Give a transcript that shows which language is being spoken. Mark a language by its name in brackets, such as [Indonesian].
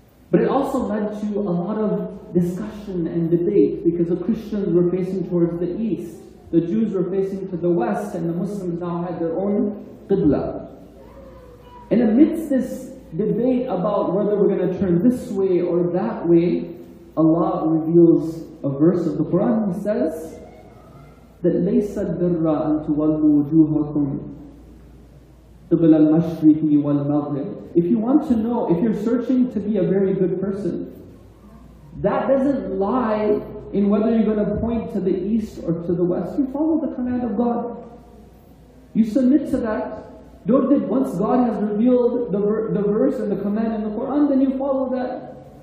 [English] But it also led to a lot of discussion and debate, because the Christians were facing towards the east, the Jews were facing to the west, and the Muslims now had their own qibla. And amidst this debate about whether we're going to turn this way or that way, Allah reveals a verse of the Quran. He says that [Arabic] لَيْسَ الْبِرَّ أَن تُوَلُّوا وُجُوهَكُمْ قِبْلَ الْمَشْرِقِ وَالْمَغْرِبِ. [English] If you want to know, if you're searching to be a very good person, that doesn't lie in whether you're going to point to the east or to the west. You follow the command of God. You submit to that. Don't think once God has revealed the verse and the command in the Quran, then you follow that.